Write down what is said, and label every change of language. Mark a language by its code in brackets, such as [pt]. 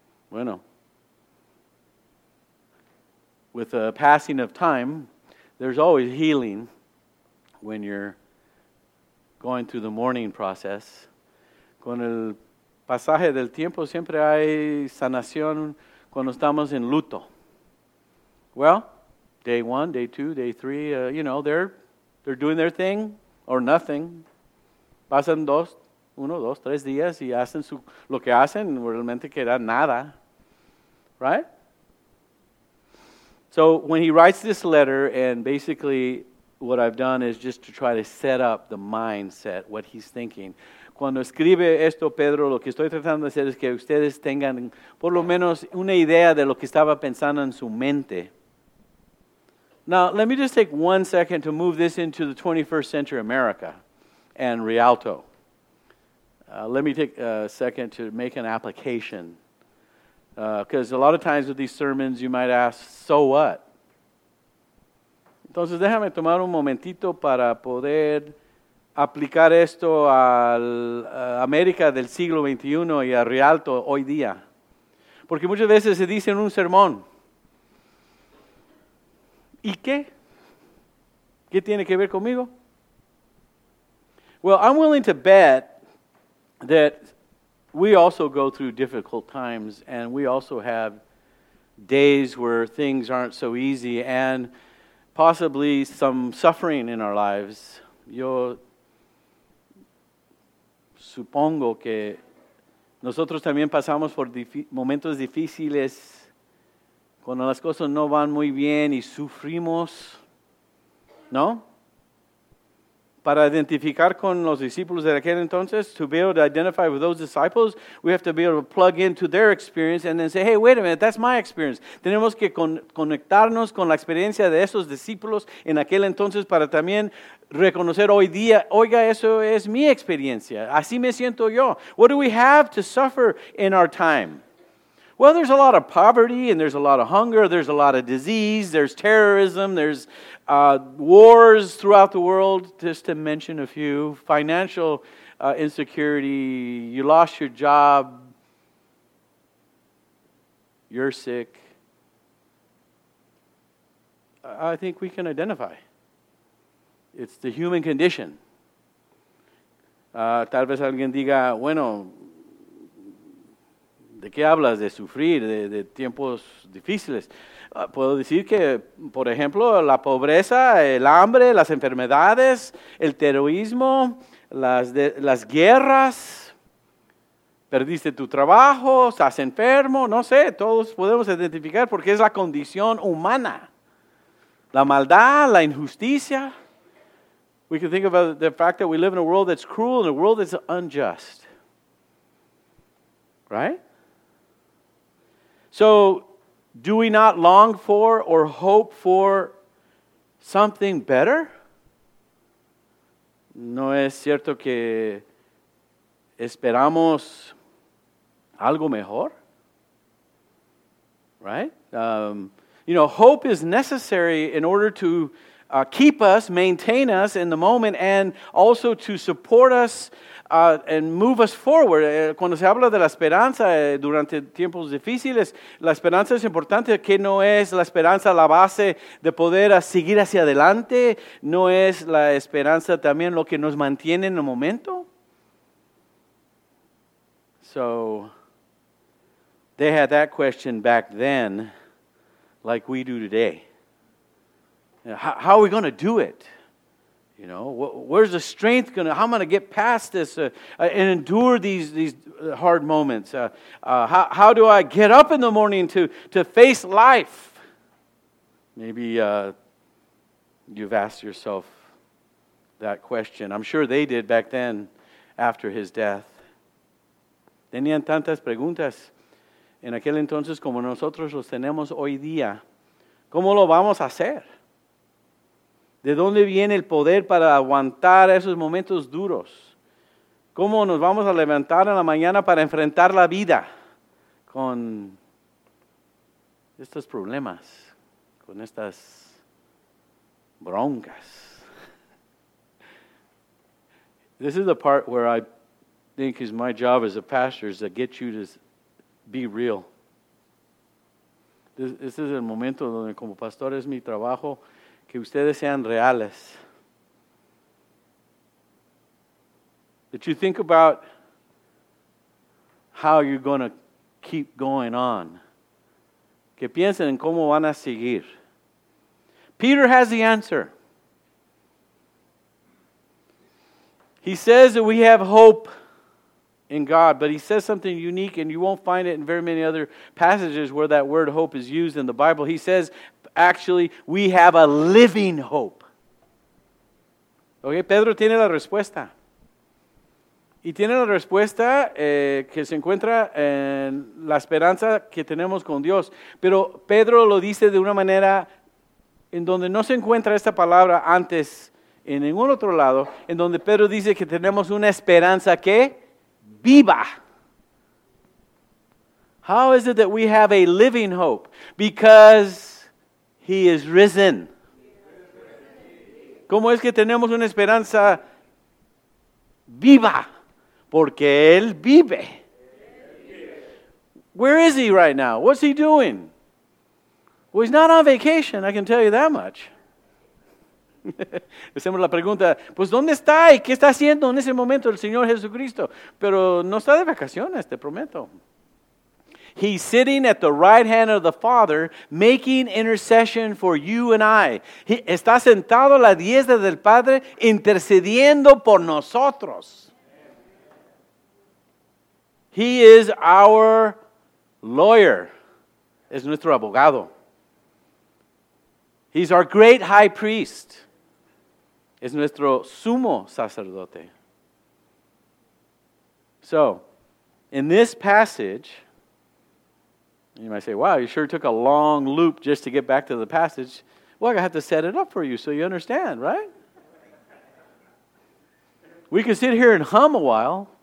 [en] Bueno, with the passing of time, there's always healing. When you're going through the mourning process, [es] con el pasaje del tiempo siempre hay sanación cuando estamos en luto. [en] Well, day one, day two, day three, you know, they're doing their thing or nothing. [es] Pasan dos, uno, dos, tres días y hacen su lo que hacen, realmente queda nada, right? [en] So when he writes this letter, and basically what I've done is just to try to set up the mindset, what he's thinking. [es] Cuando escribe esto, Pedro, lo que estoy tratando de hacer es que ustedes tengan por lo menos una idea de lo que estaba pensando en su mente. [en] Now, let me just take one second to move this into the 21st century America and Rialto. Let me take a second to make an application. Because a lot of times with these sermons, you might ask, so what? [es] Entonces, déjame tomar un momentito para poder aplicar esto a América del siglo XXI y a Rialto hoy día. Porque muchas veces se dice en un sermón, ¿y qué? ¿Qué tiene que ver conmigo? [en] Well, I'm willing to bet that we also go through difficult times and we also have days where things aren't so easy and possibly some suffering in our lives. [es] Yo supongo que nosotros también pasamos por momentos difíciles cuando las cosas no van muy bien y sufrimos, ¿no? Para identificar con los discípulos de aquel entonces, [en] to be able to identify with those disciples, we have to be able to plug into their experience and then say, hey, wait a minute, that's my experience. [es] Tenemos que conectarnos con la experiencia de esos discípulos en aquel entonces para también reconocer hoy día, oiga, eso es mi experiencia. Así me siento yo. [en] What do we have to suffer in our time? Well, there's a lot of poverty and there's a lot of hunger, there's a lot of disease, there's terrorism, there's wars throughout the world, just to mention a few. Financial insecurity, you lost your job, you're sick. I think we can identify. It's the human condition. [es] Tal vez alguien diga, bueno, ¿de qué hablas? De sufrir, de tiempos difíciles. Puedo decir que, por ejemplo, la pobreza, el hambre, las enfermedades, el terrorismo, las guerras, perdiste tu trabajo, estás enfermo, no sé, todos podemos identificar porque es la condición humana. La maldad, la injusticia. [en] We can think about the fact that we live in a world that's cruel and a world that's unjust. Right? So, do we not long for or hope for something better? [es] ¿No es cierto que esperamos algo mejor? [en] Right? You know, hope is necessary in order to keep us, maintain us in the moment, and also to support us and move us forward. [es] Cuando se habla de la esperanza durante tiempos difíciles, la esperanza es importante. ¿Qué no es la esperanza la base de poder seguir hacia adelante? ¿No es la esperanza también lo que nos mantiene en el momento? [en] So, they had that question back then, like we do today. How are we going to do it? You know, where's the strength going to, how am I going to get past this and endure these hard moments? How do I get up in the morning to face life? Maybe you've asked yourself that question. I'm sure they did back then after his death. [es] Tenían tantas preguntas en aquel entonces como nosotros los tenemos hoy día. ¿Cómo lo vamos a hacer? ¿De dónde viene el poder para aguantar esos momentos duros? ¿Cómo nos vamos a levantar en la mañana para enfrentar la vida con estos problemas, con estas broncas? [en] This is the part where I think is my job as a pastor is to get you to be real. [es] Este es el momento donde como pastor es mi trabajo que ustedes sean reales. [en] That you think about how you're going to keep going on. [es] Que piensen en cómo van a seguir. [en] Peter has the answer. He says that we have hope in God, but he says something unique, and you won't find it in very many other passages where that word hope is used in the Bible. He says, actually, we have a living hope. [es] Okay, Pedro tiene la respuesta. Y tiene la respuesta que se encuentra en la esperanza que tenemos con Dios. Pero Pedro lo dice de una manera en donde no se encuentra esta palabra antes en ningún otro lado, en donde Pedro dice que tenemos una esperanza que viva. [en] How is it that we have a living hope? Because he is risen. [es] ¿Cómo es que tenemos una esperanza viva? Porque él vive. [en] Where is he right now? What's he doing? Well, he's not on vacation, I can tell you that much. [es] Hacemos la pregunta, pues ¿dónde está y qué está haciendo en ese momento el Señor Jesucristo? Pero no está de vacaciones, te prometo. [en] He's sitting at the right hand of the Father, making intercession for you and I. [es] He está sentado a la diestra del Padre, intercediendo por nosotros. [en] He is our lawyer. [es] Es nuestro abogado. [en] He's our great high priest. [es] Es nuestro sumo sacerdote. [en] So, in this passage, you might say, wow, you sure took a long loop just to get back to the passage. Well, I have to set it up for you so you understand, right? We can sit here and hum a while.